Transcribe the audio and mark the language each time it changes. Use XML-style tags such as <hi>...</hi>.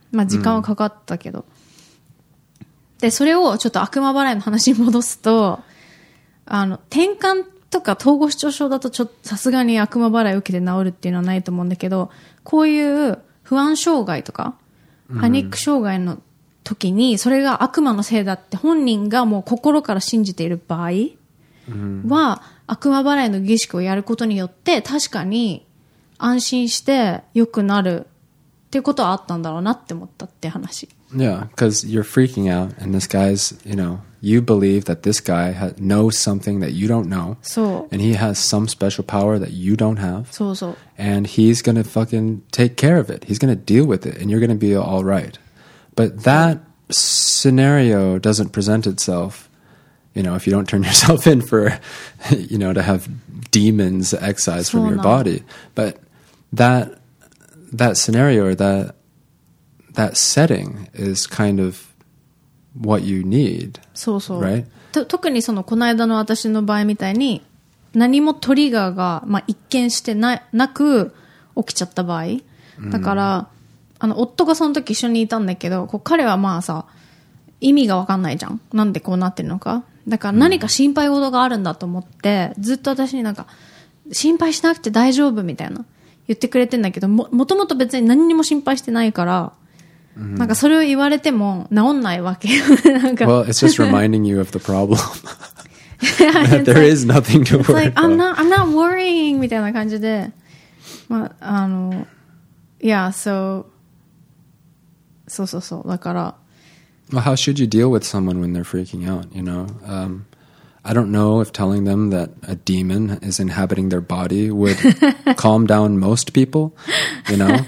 <ja>まあ、時間はかかったけど、でそれをちょっと悪魔払いの話に戻すと、あの転換とか統合失調症だとちょっとさすがに悪魔払いを受けて治るっていうのはないと思うんだけど、こういう不安障害とかパニック障害の時にそれが悪魔のせいだって本人がもう心から信じている場合は、悪魔払いの儀式をやることによって確かに安心して良くなるっていうことはあったんだろうなって思ったって話。</ja> <en>Yeah, because you're freaking out, and this guy's, you know, you believe that this guy knows something that you don't know.</en> <ja>そう。</ja> <en>And he has some special power that you don't have.</en> <ja>そうそう。</ja> <en>And he's gonna fucking take care of it. He's gonna deal with it, and you're gonna be all right. But that scenario doesn't present itself, you know, if you don't turn yourself in for, you know, to have demons excised from your body. But that scenario or that setting is kind of what you need.</en> <ja>そうそう。</ja> <en>Right?</en> <ja>特にそのこの間の私の場合みたいに何もトリガーが、まあ、一見して なく起きちゃった場合。だから、あの、夫がその時一緒にいたんだけど、こう彼はまあさ、意味がわかんないじゃん。なんでこうなってるのか。だから何か心配事があるんだと思って、ずっと私になんか、心配しなくて大丈夫みたいな。言ってくれてんだけど、もともと別に何にも心配してないから、なんかそれを言われても治んないわけ。</ja> <en>Well, it's just reminding you of the problem. There is nothing to worry about. I'm not worrying</en> <ja>みたいな感じで、まあ、あの、</ja> <en>yeah, so,</en> <ja>そうそうそう、だから。</ja> <en>Well, how should you deal with someone when they're freaking out, you know? I don't know if telling them that a demon is inhabiting their body would calm down most people, you know?</en>